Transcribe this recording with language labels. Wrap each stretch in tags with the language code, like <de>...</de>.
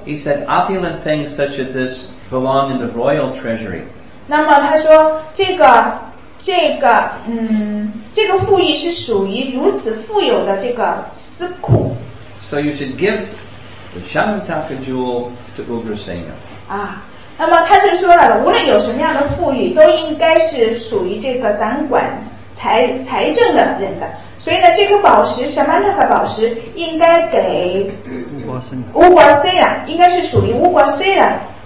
<en>He said, opulent things such as this belong in the royal treasury.</en> <zh>那么他说这个富裕是属于如此富有的这个司库。</zh> <en>So you should give the Shyamataka jewel to Ugrasena.</en> <zh>那么他就说了，无论有什么样的富裕，都应该是属于这个掌管财政的人的。所以呢，这个宝石什么那个宝石，应该给 Ugrasena，应该是属于 Ugrasena。</zh>